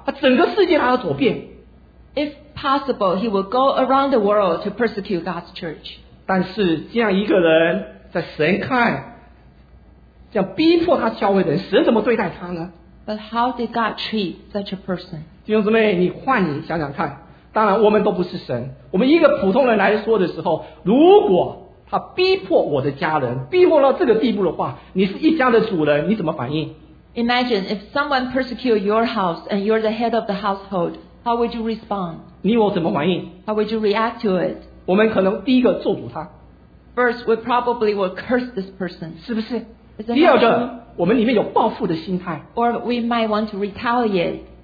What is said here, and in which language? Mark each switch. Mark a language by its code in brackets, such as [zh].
[zh] 他逼迫神的教会，他到处逼迫神的教会。若是能的话，他整个世界他要走遍。If [en] possible, he will go around the world to persecute God's church. [zh] 但是这样一个人，在神看，这样逼迫他教会的人，神怎么对待他呢？ [en] But how did God treat such a person? [zh] 弟兄姊妹，你换你想想看。当然我们都不是神，我们一个普通人来说的时候，如果他逼迫我的家人，逼迫到这个地步的话，你是一家的主人，你怎么反应？ [en] Imagine if someone persecute your house and you're the head of the household, how would you respond? [zh] 你我怎么反应？ [en] How would you react to it? [zh] 我们可能第一个咒诅他。 [en] First, we probably will curse this person. [zh] 是不是？第二个，我们里面有报复的心态。 [en] Or we might want to retaliate.